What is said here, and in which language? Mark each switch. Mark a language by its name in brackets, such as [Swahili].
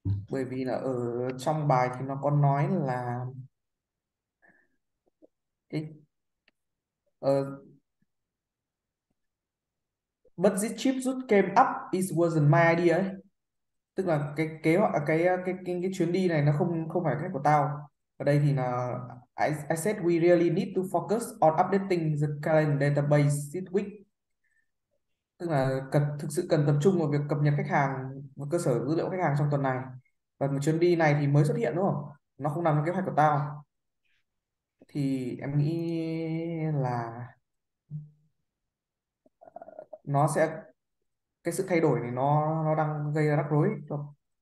[Vietnamese] Bởi vì là ở trong bài thì nó có nói là [English] but this chip just came up, it wasn't my idea [Vietnamese] ấy. Tức là cái kế hoạch cái chuyến đi này nó không phải cách của tao. Ở đây thì là [English] I said we really need to focus on updating the client database this week. [Vietnamese] Tức là thực sự cần tập trung vào việc cập nhật khách hàng và cơ sở dữ liệu khách hàng trong tuần này. Và một chuyến đi này thì mới xuất hiện đúng không? Nó không nằm trong kế hoạch của tao. Thì em nghĩ là nó sẽ cái sự thay đổi này nó đang gây ra rắc rối cho.